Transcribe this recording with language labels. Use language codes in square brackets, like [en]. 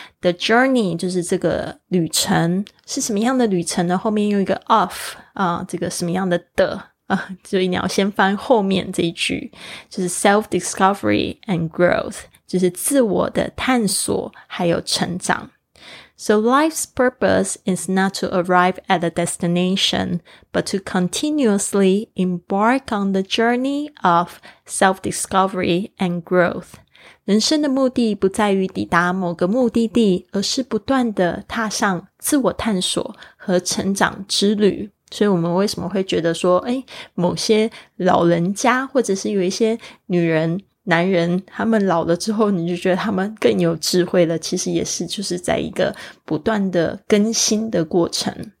[en] The journey [zh] 就是这个旅程，是什么样的旅程呢？后面用一个 of 啊，这个什么样的的啊，所以你要先翻后面这一句，就是 [en] self discovery and growth， [zh] 就是自我的探索还有成长。 [en] So life's purpose is not to arrive at a destination, but to continuously embark on the journey of self discovery and growth。 [zh] 人生的目的不在于抵达某个目的地，而是不断的踏上自我探索和成长之旅。所以我们为什么会觉得说，诶，某些老人家或者是有一些女人男人他们老了之后你就觉得他们更有智慧了，其实也是就是在一个不断的更新的过程。